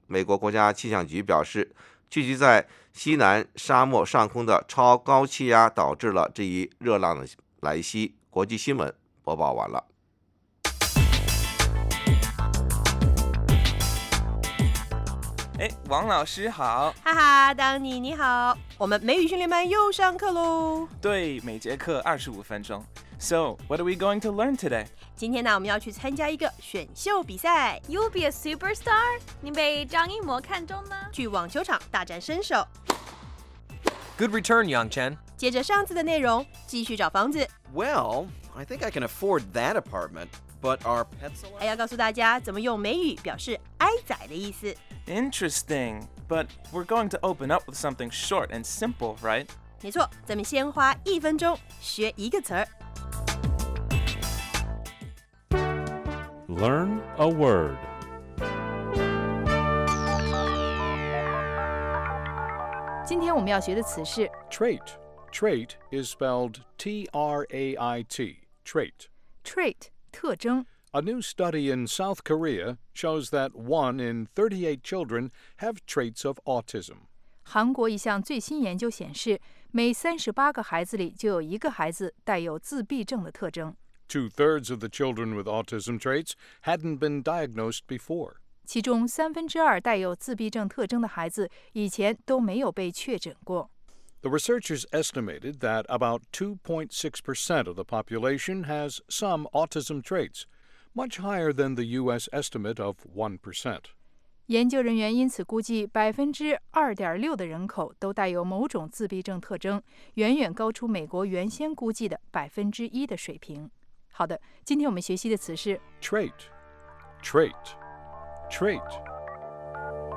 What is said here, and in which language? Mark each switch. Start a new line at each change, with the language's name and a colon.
Chinese: 美国国家气象局表示，聚集在西南沙漠上空的超高气压导致了这一热浪的来袭。国际新闻播报完了。哎，王老师好。哈哈，当妮你好，我们美语训练班又上课喽。对，每节课25分钟。
English: So, what are we going to learn today?
Chinese: 今天呢，我们要去参加一个选秀比赛。
English: You'll be a superstar?
Chinese: 你被张艺谋看中吗？去网球场大展身手。
English: Good return, Yang Chen.
Chinese: 接着上次的内容，继续找房子。
English: Well, I think I can afford that apartment, but our pets...
Chinese: 还要告诉大家怎么用美语表示哀哉的意思。
English: Interesting, but we're going to open up with something short and simple, right?
Chinese: 没错，咱们先花一分钟学一个词儿。
English: Learn a word. Today we're going to learn the word trait. Trait is spelled T-R-A-I-T. Trait. Trait, 特征. A new study in South Korea shows that 1 in 38 children have traits of autism.
Chinese: 韩国一项最新研究显示，每38个孩子里就有一个孩子带有自闭症的特征。
English: 2/3 of the children with autism traits hadn't been diagnosed before.
Chinese: 其中2/3带有自闭症特征的孩子以前都没有被确诊过。
English: The researchers estimated that about 2.6% of the population has some autism traits, much higher than the U.S. estimate of 1%.
Chinese: 研究人员因此估计 2.6% 的人口都带有某种自闭症特征，远远高出美国原先估计的 1% 的水平。好的，今天我们学习的词是
English: trait, trait, trait。